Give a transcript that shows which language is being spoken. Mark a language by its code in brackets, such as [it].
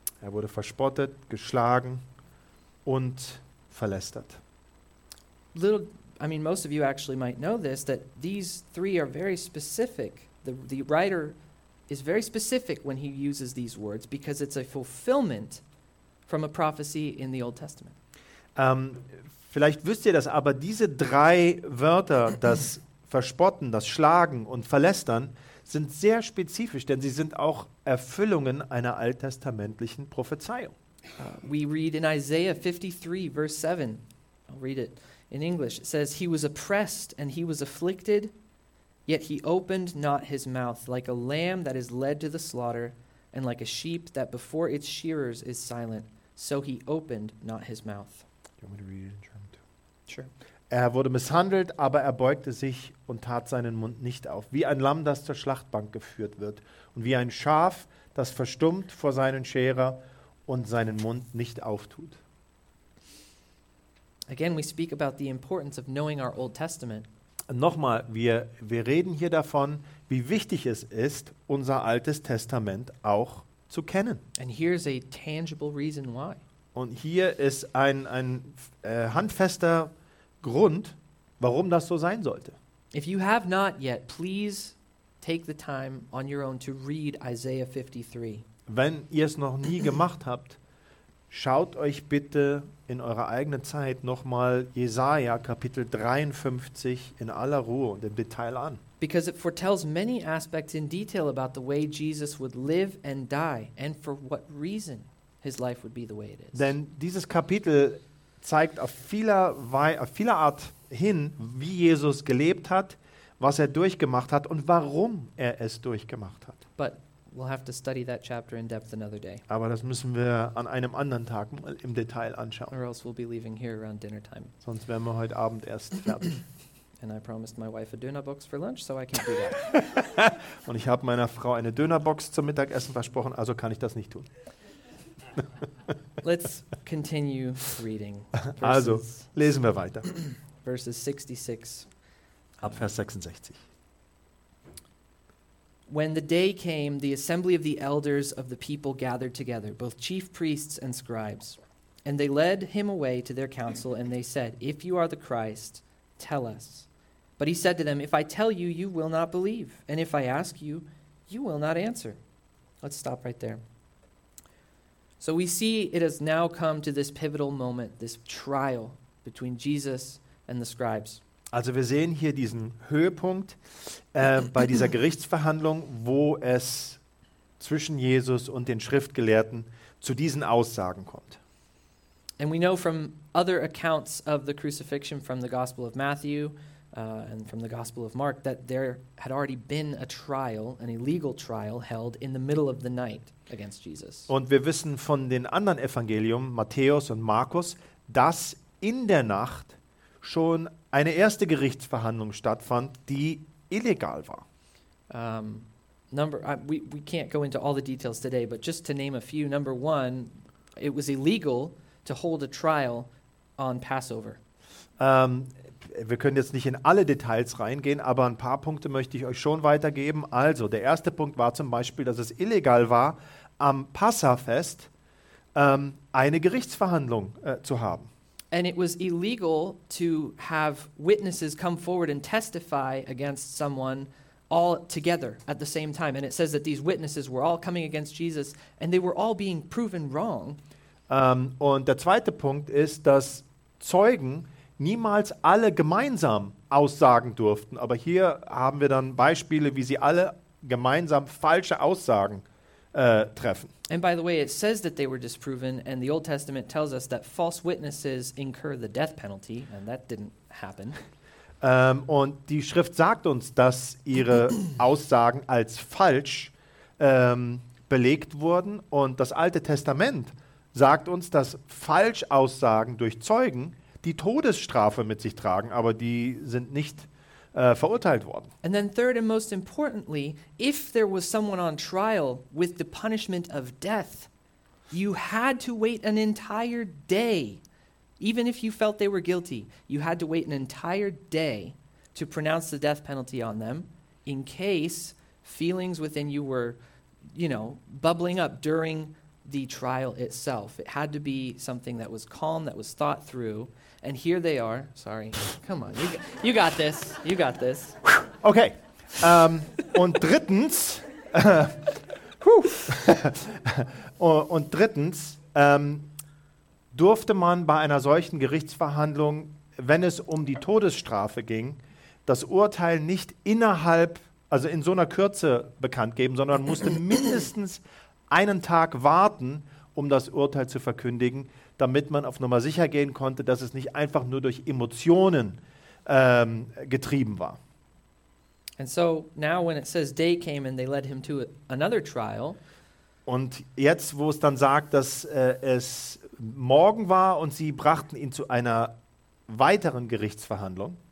[de] Er wurde verspottet, geschlagen und verlästert. [en] I mean, most of you actually might know this, that these three are very specific. The writer is very specific when he uses these words because it's a fulfillment from a prophecy in the Old Testament. [de] Vielleicht wisst ihr das, aber diese drei Wörter, das Verspotten, das Schlagen und Verlästern, sind sehr spezifisch, denn sie sind auch Erfüllungen einer alttestamentlichen Prophezeiung. [en] We read in Isaiah 53, verse 7. I'll read it in English. It says, he was oppressed and he was afflicted, yet he opened not his mouth, like a lamb that is led to the slaughter, and like a sheep that before its shearers is silent, so he opened not his mouth. Do you want me to read it in German too? Sure. [de] Er wurde misshandelt, aber er beugte sich und tat seinen Mund nicht auf, wie ein Lamm, das zur Schlachtbank geführt wird, und wie ein Schaf, das verstummt vor seinen Scherer und seinen Mund nicht auftut. [en] Again, we speak about the importance of knowing our Old Testament. [de] Nochmal, wir reden hier davon, wie wichtig es ist, unser Altes Testament auch zu kennen. [en] And here's a tangible reason why. [de] Und hier ist ein handfester Grund, warum das so sein sollte. [en] If you have not yet, please take the time on your own to read Isaiah 53. [de] Wenn ihr es noch nie gemacht habt, schaut euch bitte in eurer eigenen Zeit nochmal Jesaja Kapitel 53 in aller Ruhe und im Detail an. [en] Because it foretells many aspects in detail about the way Jesus would live and die and for what reason his life would be the way it is. [de] Denn dieses Kapitel zeigt auf vieler Art hin, wie Jesus gelebt hat, was er durchgemacht hat und warum er es durchgemacht hat. [en] But we'll have to study that chapter in depth another day. [de] Aber das müssen wir an einem anderen Tag mal im Detail anschauen. [en] Or else we'll be leaving here around dinner time. [de] Sonst wären wir heute Abend erst fertig. [en] And I promised my wife a dinner box for lunch, so I can't do that. [de] Und ich habe meiner Frau eine Dönerbox zum Mittagessen versprochen, also kann ich das nicht tun. [en] Let's continue reading. [de] Verses, also, lesen wir weiter. [en] Verses 66. [de] Ab Vers 66. [en] When the day came, the assembly of the elders of the people gathered together, both chief priests and scribes. And they led him away to their council, and they said, if you are the Christ, tell us. But he said to them, if I tell you, you will not believe. And if I ask you, you will not answer. Let's stop right there. So we see it has now come to this pivotal moment, this trial between Jesus and the scribes. [de] Also wir sehen hier diesen Höhepunkt bei dieser Gerichtsverhandlung, wo es zwischen Jesus und den Schriftgelehrten zu diesen Aussagen kommt. [en] And we know from other accounts of the crucifixion from the Gospel of Matthew and from the Gospel of Mark that there had already been a trial, an illegal trial held in the middle of the night against Jesus. [de] Und wir wissen von den anderen Evangelien, Matthäus und Markus, dass in der Nacht schon eine erste Gerichtsverhandlung stattfand, die illegal war. [en] We can't go into all the details today, but just to name a few. Number one, it was illegal to hold a trial on Passover. [de] Wir können jetzt nicht in alle Details reingehen, aber ein paar Punkte möchte ich euch schon weitergeben. Also, der erste Punkt war zum Beispiel, dass es illegal war, am Passafest eine Gerichtsverhandlung zu haben. [en] And it was illegal to have witnesses come forward and testify against someone all together at the same time. And it says that these witnesses were all coming against Jesus and they were all being proven wrong. [de] Und der zweite Punkt ist, dass Zeugen niemals alle gemeinsam aussagen durften. Aber hier haben wir dann Beispiele, wie sie alle gemeinsam falsche Aussagen treffen. [en] And by the way, it says that they were disproven, and the Old Testament tells us that false witnesses incur the death penalty, and that didn't happen. [de] Und die Schrift sagt uns, dass ihre Aussagen als falsch belegt wurden, und das Alte Testament sagt uns, dass Falschaussagen durch Zeugen die Todesstrafe mit sich tragen, aber die sind nicht verurteilt worden. [en] And then third and most importantly, if there was someone on trial with the punishment of death, you had to wait an entire day. Even if you felt they were guilty, you had to wait an entire day to pronounce the death penalty on them in case feelings within you were, you know, bubbling up during the trial itself. It had to be something that was calm, that was thought through. And here they are. Sorry. Come on. You got this. You got this. [de] Okay. Und drittens. Und drittens. Durfte man bei einer solchen Gerichtsverhandlung, wenn es um die Todesstrafe ging, das Urteil nicht innerhalb, also in so einer Kürze bekannt geben, sondern musste mindestens einen Tag warten, um das Urteil zu verkündigen, damit man auf Nummer sicher gehen konnte, dass es nicht einfach nur durch Emotionen getrieben war. [en] And so now when it says day came and they led him to another trial. [de] Und jetzt, wo es dann sagt, dass es Morgen war und sie brachten ihn zu einer weiteren Gerichtsverhandlung,